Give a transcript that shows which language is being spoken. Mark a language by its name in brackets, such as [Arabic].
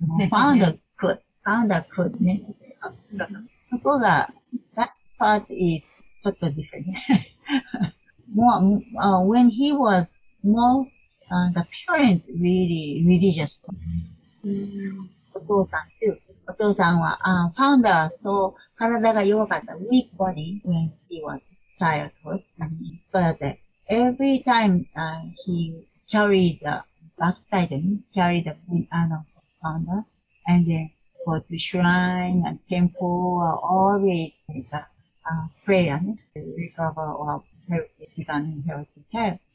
[English] founder could ね。 [Japanese] そこが、 [English] that part is ちょっと different. when he was small, the parents really religious.、 [Japanese] お父さん [English] too. [Japanese] お父さんは、ファウンダー、そう、体が弱かった。 [English] weak body when he was childhood. But, every time, he carried the backside, carried the, founder, and then go to shrine and temple, always, prayer, to recover or healthy, become healthy child.